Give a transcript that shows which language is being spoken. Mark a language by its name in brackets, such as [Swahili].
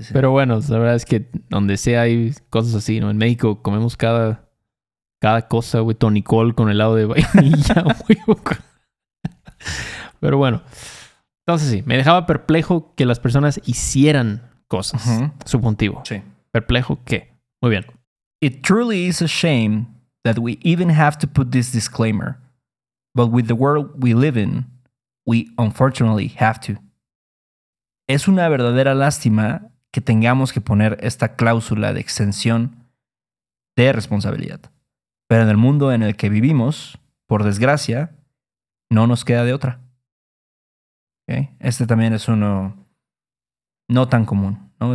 [Spanish] Pero bueno, la verdad es que donde sea hay cosas así, ¿no? En México comemos cada cosa, güey. Tony Cole con helado de vainilla, güey. Pero bueno. Entonces sí, me dejaba perplejo que las personas hicieran cosas. Uh-huh. Subjuntivo. Sí. ¿Perplejo qué? Muy bien. [English] It truly is a shame that we even have to put this disclaimer. But with the world we live in, We unfortunately have to. [Spanish] Es una verdadera lástima que tengamos que poner esta cláusula de exención de responsabilidad. Pero en el mundo en el que vivimos, por desgracia, no nos queda de otra. ¿Okay? Este también es uno no tan común, ¿no?